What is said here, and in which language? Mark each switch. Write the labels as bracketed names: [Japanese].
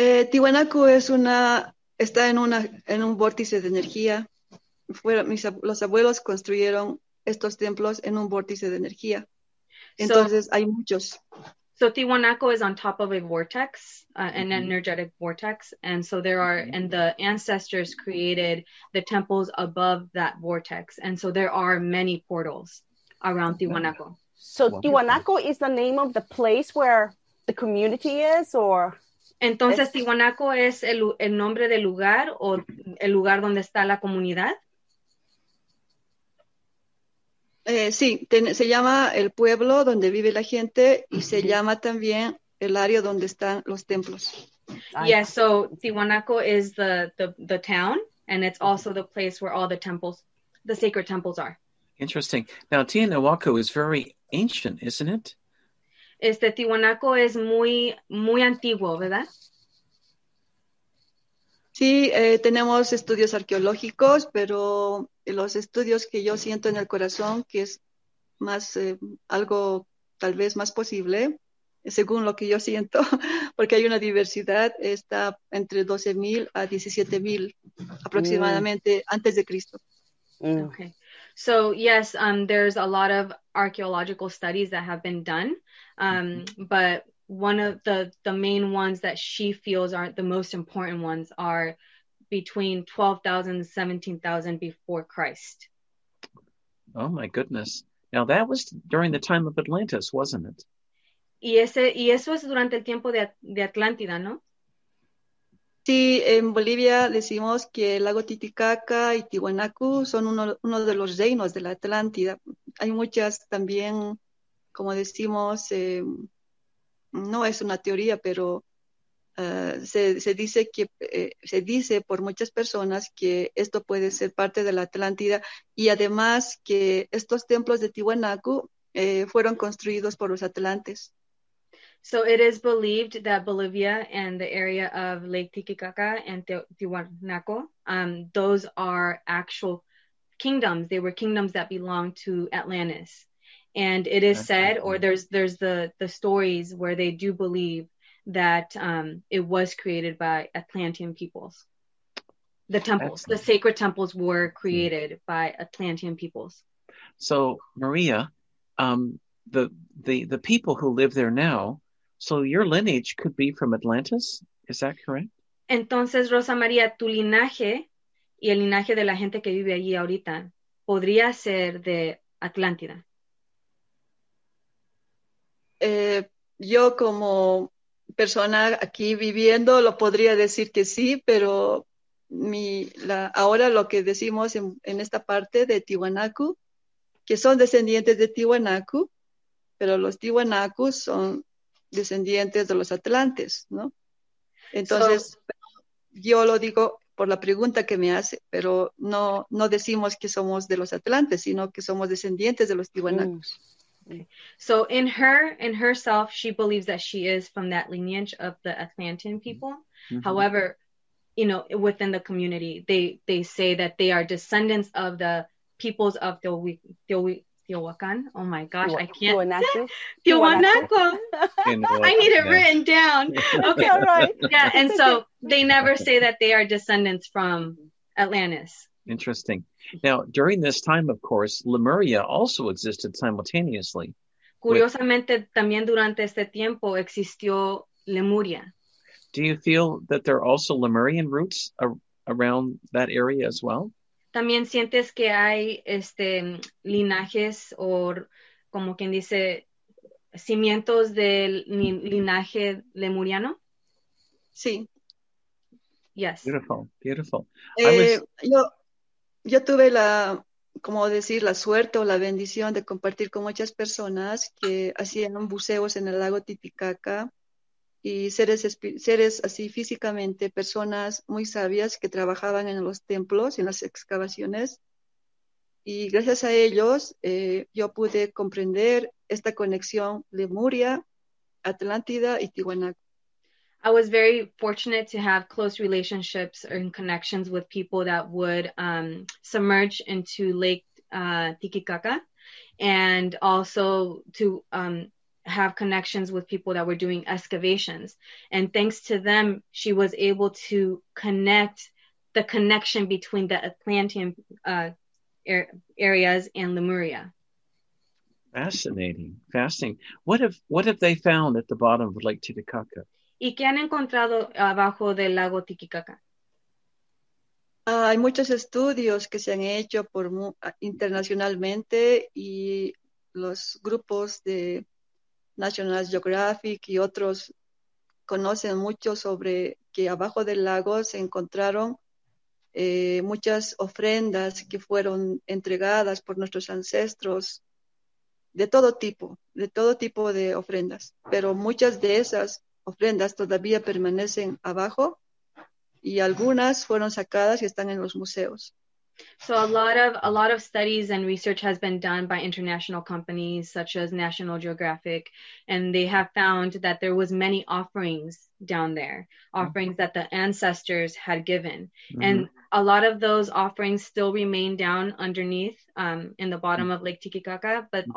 [Spanish] Tiwanaku es una está en una en un vórtice de energía. Los abuelos construyeron estos templos en un vórtice de energía. Entonces hay muchos. [English] So Tiwanaku is on top of a vortex, an energetic vortex, and so there are and the ancestors created the temples above that vortex, and so there are many portals around Tiwanaku. So Tiwanaku is the name of the place where the community is, or [Spanish] entonces Tiwanaku es el nombre del lugar o el lugar donde está la comunidad? Sí, se llama el pueblo donde vive la gente y se llama también el área donde están los templos. [English] Yeah, so Tiwanaku is the town and it's also the place where all the temples, the sacred temples are. Interesting. Now, Tiwanaku is very ancient, isn't it? [Spanish] Tiwanaku es muy, muy antiguo, ¿verdad? Sí, tenemos estudios arqueológicos, pero los estudios que yo siento en el corazón, que es más algo tal vez más posible, según lo que yo siento, porque hay una diversidad, está entre 12,000 a 17,000 aproximadamente antes de Cristo. [English] Okay. So, yes, there's a lot of archaeological studies that have been done, but one of the main ones that she feels are the most important ones are between 12,000 and 17,000 before Christ. Oh, my goodness. Now, that was during the time of Atlantis, wasn't it? [Spanish] Y eso es durante el tiempo de Atlántida, ¿no? Sí, en Bolivia decimos que el lago Titicaca y Tiwanaku son uno de los reinos de la Atlántida. Hay muchas también, como decimos, no es una teoría, pero se dice por muchas personas que esto puede ser parte de la Atlántida y además que estos templos de Tiwanaku fueron construidos por los atlantes. [English] So it is believed that Bolivia and the area of Lake Titicaca and Tiwanaku, those are actual kingdoms. They were kingdoms that belonged to Atlantis. And it is said, or there's the stories where they do believe that it was created by Atlantean peoples. The temples, the sacred temples were created by Atlantean peoples. So Maria, the people who live there now, so your lineage could be from Atlantis, is that correct? [Spanish] Entonces, Rosa María, tu linaje y el linaje de la gente que vive allí ahorita podría ser de Atlántida. Yo como persona aquí viviendo lo podría decir que sí, pero ahora lo que decimos en esta parte de Tiwanaku, que son descendientes de Tiwanaku, pero los Tiwanaku son descendientes de los atlantes, ¿no? Entonces, yo lo digo por la pregunta que me hace, pero no decimos que somos de los atlantes, sino que somos descendientes de los tiwanacos. [English] So in her, in herself, she believes that she is from that lineage of the Atlantean people. Mm-hmm. However, you know, within the community, they say that they are descendants of the peoples of Tiahuacan. Oh my gosh, I can't. Tiahuanaco. I need it written down. Okay, all right. Yeah, and so they never say that they are descendants from Atlantis. Interesting. Now, during this time, of course, Lemuria also existed simultaneously. [Spanish] Curiosamente, también durante este tiempo existió Lemuria. [English] Do you feel that there are also Lemurian roots around that area as well? [Spanish] También sientes que hay este linajes o como quien dice cimientos del linaje lemuriano? Sí. [English] Yes. Beautiful, beautiful. [Spanish] Yo tuve la, como decir, la suerte o la bendición de compartir con muchas personas que hacían buceos en el lago Titicaca. Y seres así físicamente, personas muy sabias que trabajaban en los templos, en las excavaciones. Y gracias a ellos, yo pude comprender esta conexión Lemuria, Atlántida y Tiwanaku. [English] I was very fortunate to have close relationships and connections with people that would submerge into Lake Titicaca. And also to... have connections with people that were doing excavations. And thanks to them, she was able to connect the connection between the Atlantean areas and Lemuria. Fascinating, fascinating. What have they found at the bottom of Lake Titicaca? [Spanish] ¿Y qué han encontrado abajo del lago Titicaca? Hay muchos estudios que se han hecho por internacionalmente y los grupos de National Geographic y otros conocen mucho sobre que abajo del lago se encontraron muchas ofrendas que fueron entregadas por nuestros ancestros de todo tipo de ofrendas. Pero muchas de esas ofrendas todavía permanecen abajo y algunas fueron sacadas y están en los museos. [English] So a lot of studies and research has been done by international companies such as National Geographic, and they have found that there was many offerings down there, offerings mm-hmm. that the ancestors had given. Mm-hmm. And a lot of those offerings still remain down underneath in the bottom mm-hmm. of Lake Titicaca, but mm-hmm.